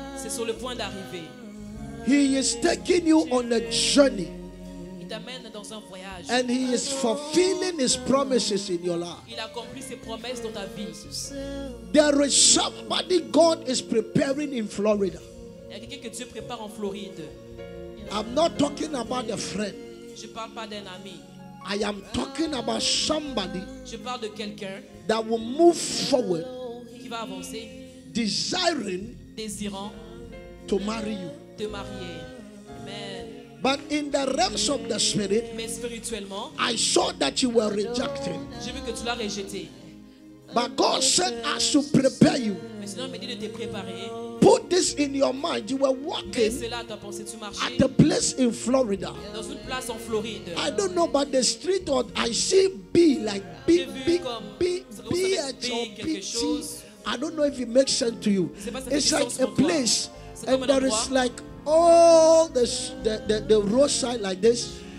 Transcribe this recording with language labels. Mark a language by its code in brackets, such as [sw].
[fr] C'est sur le point d'arriver. [en] He is taking you on a journey. [fr] Il t'amène dans un voyage. [en] And he is fulfilling his promises in your life. [fr] Il accomplit ses promesses dans ta vie. [en] There is somebody God is preparing in Florida. [fr] Il y a quelqu'un que Dieu prépare en Floride. [en] I'm not talking about a friend. [fr] Je parle pas d'un ami. [en] I am talking about somebody. [fr] Je parle de quelqu'un [en] that will move forward. [fr] Qui va avancer. [en] Desiring. [fr] Désirant. [en] To marry you. [fr] Te marier. Amen. [en] But in the realms of the spirit. [fr] Mais spirituellement. [en] I saw that you were rejected. [fr] J'ai vu que tu l'as rejeté. [en] But God said I should prepare you. [fr] Mais sinon, il m'a dit de te préparer. [en] Put this in your mind. You were walking at a place in Florida. [fr] Dans une place en Floride. [en] I don't know about the street, or I see B, like B, B, B, B, B, H, or B, C. I don't know if it makes sense to you. It's like a place, and there is like all this, the roadside like this.